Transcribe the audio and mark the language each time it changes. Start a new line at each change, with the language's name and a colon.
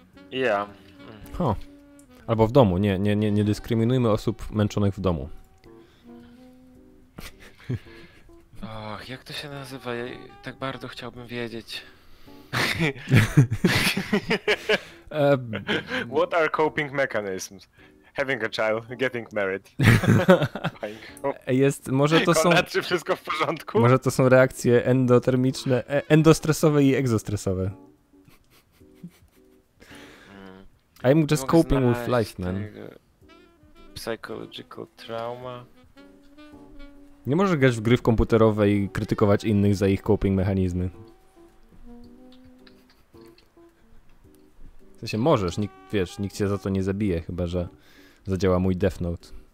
Polish: Ja. Yeah. O. Albo w domu. Nie dyskryminujmy osób męczonych w domu. Och, jak to się nazywa? Ja tak bardzo chciałbym wiedzieć.
English: What are coping mechanisms? Having a child, getting married.
Polish: Jest, może to są... Konrad, czy wszystko w porządku? Może to są reakcje endotermiczne, endostresowe i egzostresowe.
English: I'm just coping with life, man. Psychological trauma.
Polish: Nie możesz grać w gry w komputerowe i krytykować innych za ich coping mechanizmy. W sensie możesz, nikt cię za to nie zabije, chyba że... Zadziała mój Death Note.